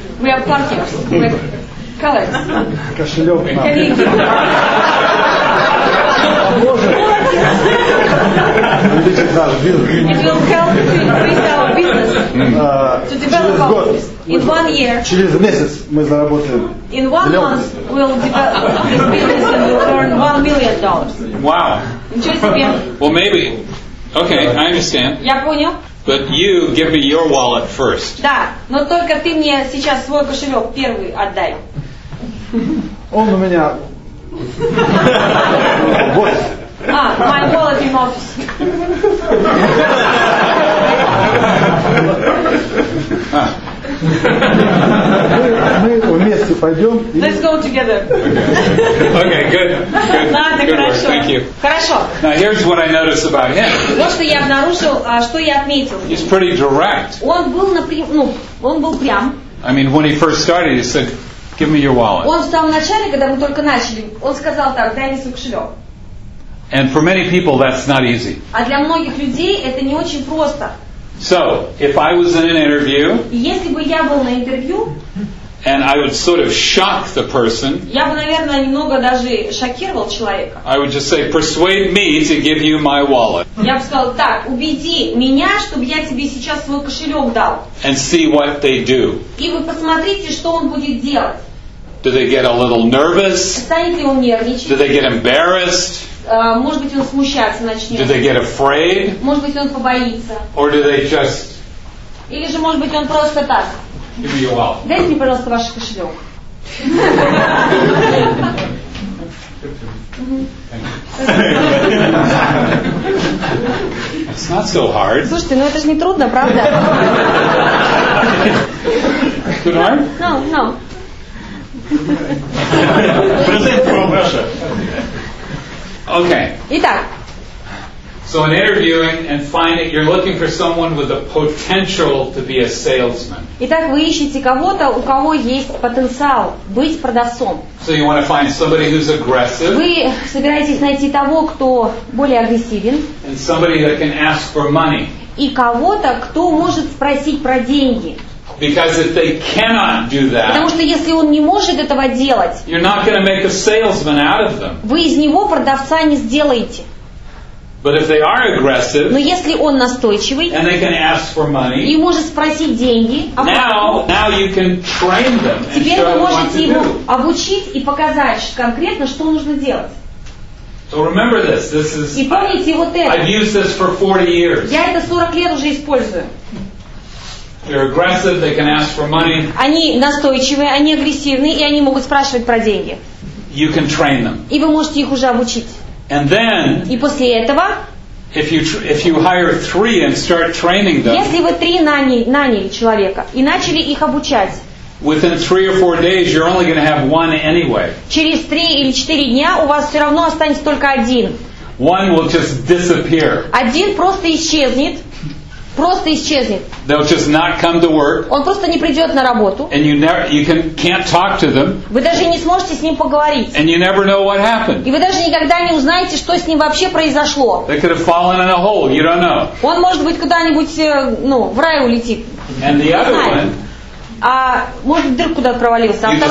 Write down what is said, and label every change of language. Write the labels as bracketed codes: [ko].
[en] We are partners. Collect. [ru] Кошелек нам. Поможет. [en] It will help to increase our business. To develop our business. In 1 year. [ru] Через месяц мы заработаем. [en] In 1 month we'll develop this business and we'll earn $1 million. Wow. Well, maybe. Okay, I understand. [ru] Я понял. [en] But you give me your wallet first. [ru] Да, но только ты мне сейчас свой кошелек первый отдай. Он у меня. Вот. [en] А, my wallet in office. [ru] Мы вместе пойдем. [en] Let's go together. Okay, good. Good work. Thank you. [ru] Хорошо. [en] Now here's what I noticed about him. [ru] Вот что я обнаружил, что я отметил. [en] He's pretty direct. [ru] Он был он был прям. [en] I mean, when he first started, he said, "Give me your wallet." [ru] Он в самом начале, когда мы только начали, он сказал так: "Дай мне свой кошелек." [en] And for many people, that's not easy. [ru] А для многих людей это не очень просто. [en] So, if I was in an interview, [ru] если бы я был на интервью, [en] and I would sort of shock the person, [ru] я бы, наверное, немного даже шокировал человека. [en] I would just say, persuade me to give you my wallet. [ru] Я бы сказал так: убеди меня, чтобы я тебе сейчас свой кошелек дал. [en] And see what they do. [ru] И вы посмотрите, что он будет делать. [en] Do they get a little nervous? [ru] Станет ли он нервничать? [en] Do they get embarrassed? [ru] Может быть, он смущаться начнет. [en] Do they get afraid? [ru] Может быть, он побоится. [en] Or do they just... [ru] Или же, может быть, он просто так. [en] Give me your wallet. [ru] Дайте мне, пожалуйста, ваш кошелек. [en] It's not so hard. [ru] Слушайте, ну это же не трудно, правда? [en] Could I? No. Present from Russia. Okay. [ru] Итак. [en] So in interviewing and finding, you're looking for someone with the potential to be a salesman. [ru] Итак, вы ищете кого-то, у кого есть потенциал быть продавцом. [en] So you want to find somebody who's aggressive. [ru] Вы собираетесь найти того, кто более агрессивен. [en] And somebody that can ask for money. [ru] И кого-то, кто может спросить про деньги. [en] Because if they cannot do that, [ru] потому что если он не может этого делать, [en] you're not going to make a salesman out of them. [ru] Вы из него продавца не сделаете. [en] But if they are aggressive, [ru] но если он настойчивый, [en] and they can ask for money, [ru] и может спросить деньги, [en] now you can train them. [ru] Теперь вы можете его обучить и показать конкретно, что нужно делать. [en] So remember this. This is. [ru] И помните вот это. [en] I've used this for 40 years. [ru] Я это 40 лет уже использую. [en] They're aggressive, they can ask for money. [ru] Они настойчивые, они агрессивные, и они могут спрашивать про деньги. [en] You can train them. [ru] И вы можете их уже обучить. [en] And then, [ru] и после этого, [en] if you hire three and start training them, [ru] если вы три наняли человека и начали их обучать, [en] within 3 or 4 days you're only going to have one anyway. [ru] Через 3 или 4 дня у вас всё равно останется только один. [en] One will just disappear. [ru] Один просто исчезнет. Просто исчезнет. [en] They'll just not come to work. [ru] Он просто не придёт на работу. [en] And you never, you can, can't talk to them. [ru] Вы даже не сможете с ним поговорить. [en] And you never know what happened. [ru] И вы даже никогда не узнаете, что с ним вообще произошло. [en] They could have fallen in a hole. You don't know. [ru] Он может быть куда-нибудь, ну, в рай улетит. [en] And the other one. [ru] А может быть, вдруг куда-то провалился.